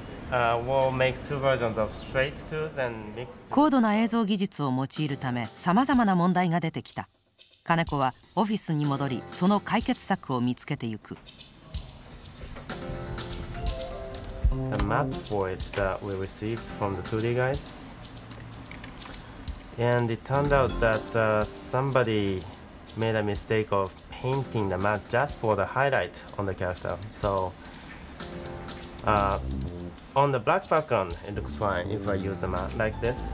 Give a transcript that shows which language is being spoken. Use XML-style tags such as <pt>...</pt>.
<en>We'll make 2 versions of straight tunes and mixed tunes.</en> <ja>高度な映像技術を用いるため様々な問題が出てきた。金子はオフィスに戻りその解決策を見つけていく。</ja> <en>The map void that we received from the 2D guys. And it turned out that somebody made a mistake of painting the map just for the highlight on the character. So on the black background, it looks fine if I use the map like this.</en>